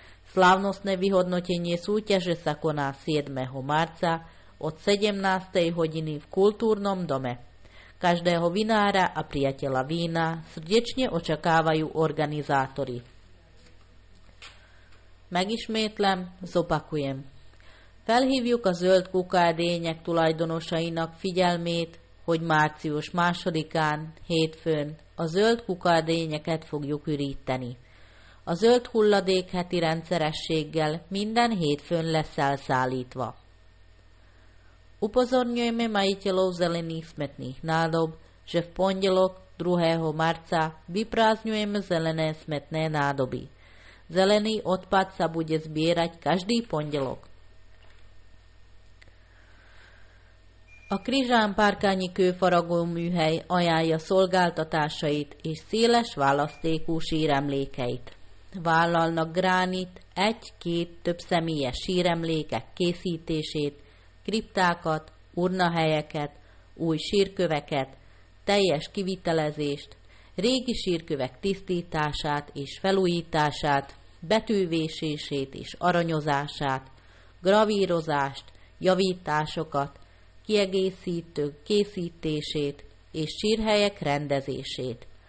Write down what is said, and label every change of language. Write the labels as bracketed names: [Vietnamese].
[Slovak] Slávnostné vyhodnotenie súťaže sa koná 7. marca od 17. hodiny v kultúrnom dome. Každého vinára a priateľa vína srdečne očakávajú organizátori. [Hungarian] Megismétlem, [Slovak] zopakujem. [Hungarian] Felhívjuk a zöld kukádények tulajdonosainak figyelmét, hogy március 2-án, hétfőn a zöld kukádényeket fogjuk üríteni. A zöld hulladék heti rendszerességgel minden hétfőn lesz elszállítva. [Slovak] Upozorňujeme majiteľov zelených smetných nádob, že v pondelok 2. marca vyprázdňujeme zelené smetné nádoby. Zelený odpad sa bude zbierať každý pondelok. [Hungarian] A Krizsán Párkányi Kőfaragó műhely ajánlja szolgáltatásait és széles választékú síremlékeit. Vállalnak gránit, egy-két több személyes síremlékek készítését, kriptákat, urnahelyeket, új sírköveket, teljes kivitelezést, régi sírkövek tisztítását és felújítását, betűvésését és aranyozását, gravírozást, javításokat, kiegészítők készítését és sírhelyek rendezését.